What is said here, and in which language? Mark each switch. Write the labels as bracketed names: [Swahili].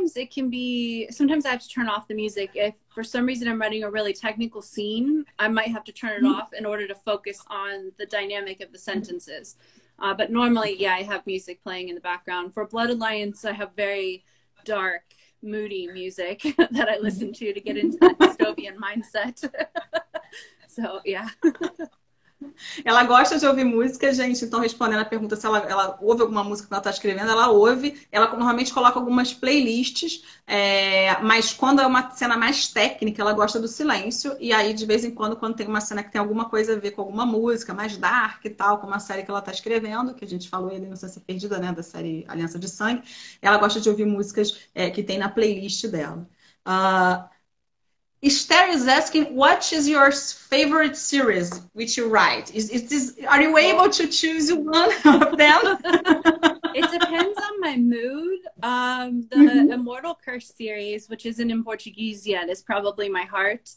[English] Sometimes I have to turn off the music. If for some reason I'm writing a really technical scene, I might have to turn it off in order to focus on the dynamic of the sentences. But normally, yeah, I have music playing in the background. For Blood Alliance, I have very dark, moody music that I listen to get into that dystopian mindset. So, yeah. [Portuguese] Ela gosta de ouvir música, gente. Então, respondendo a pergunta se ela ouve alguma música que ela está escrevendo, ela ouve. Ela normalmente coloca algumas playlists, mas quando é uma cena mais técnica, ela gosta do silêncio. E aí, de vez em quando tem uma cena que tem alguma coisa a ver com alguma música, mais dark e tal, como a série que ela está escrevendo, que a gente falou ali, não sei se é perdida, né, da série Aliança de Sangue, ela gosta de ouvir músicas, que tem na playlist dela. [English] Esther is asking, what is your favorite series which you write? Are you able Well, to choose one of it depends on my mood. The Immortal Curse series, which isn't in Portuguese yet, is probably my heart.